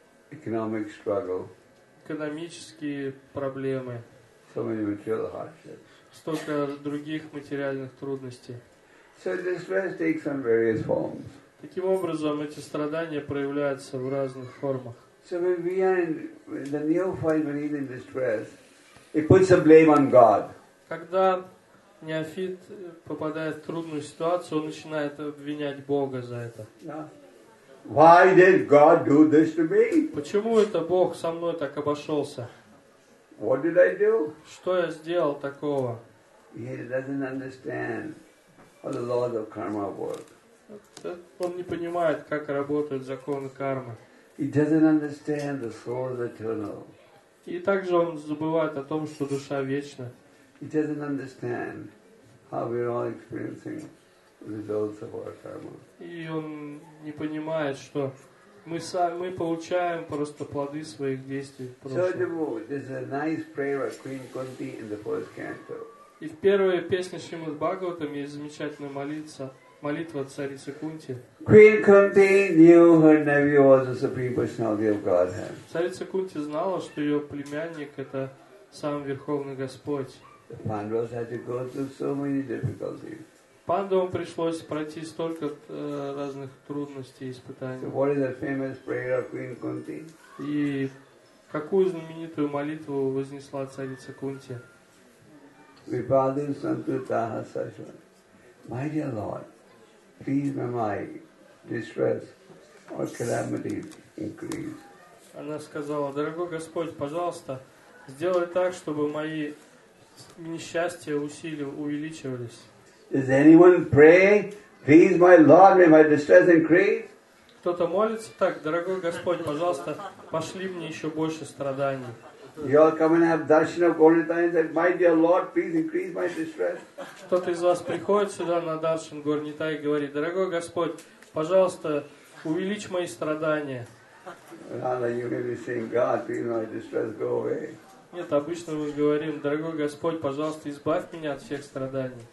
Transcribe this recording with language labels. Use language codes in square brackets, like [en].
[en] Economic struggle. [ru] Экономические проблемы. [en] So many material hardships. [ru] Столько других материальных трудностей. [en] So distress takes on various forms. [ru] Таким образом, эти страдания проявляются в разных формах. [en] So when we are in the neophyte, when he's in distress, he puts the blame on God. [ru] Когда неофит попадает в трудную ситуацию, он начинает обвинять Бога за это. [en] Why did God do this to me? [ru] Почему это Бог со мной так обошелся? [en] What did I do? [ru] Что я сделал такого? [en] He doesn't understand how the laws of karma work. [ru] Он не понимает, как работают законы кармы. [en] He doesn't understand the soul is eternal. [ru] И также он забывает о том, что душа вечна. [en] He doesn't understand how we're all experiencing results of our karma. [ru] И он не понимает, что мы получаем просто плоды своих действий. [en] So there's a nice prayer of Queen Kunti in the first canto. [ru] И в первой песне Шримад Бхагаватам есть замечательная молитва. Молитва царицы Кунти. [en] Queen Kunti knew her nephew was the supreme personality of Godhead. [ru] Царица Кунти знала, что ее племянник это сам Верховный Господь. [en] The Pandavas had to go through so many difficulties. [ru] Пандавам пришлось пройти столько разных трудностей и испытаний. [en] So what is the famous prayer of Queen Kunti? [ru] И какую знаменитую молитву вознесла царица Кунти? [sa] Vipadim santutaha sashvan. [en] My dear Lord, please may my distress or calamity increase. [ru] Она сказала, дорогой Господь, пожалуйста, сделай так, чтобы мои несчастья увеличивались. [en] Is anyone praying? Please, my Lord, may my distress increase? [ru] Кто-то молится так, дорогой Господь, пожалуйста, пошли мне еще больше страданий. [en] You all come and have darshan of Golden Tanya and say, my dear Lord, please increase my distress. [ru] Кто-то из вас приходит сюда на даршан горнита и говорит, дорогой Господь, пожалуйста, увеличь мои страдания. [en] Rather, you may be saying, God, please my distress go away. [ru] Нет, обычно мы говорим, дорогой Господь, пожалуйста, избавь меня от всех страданий.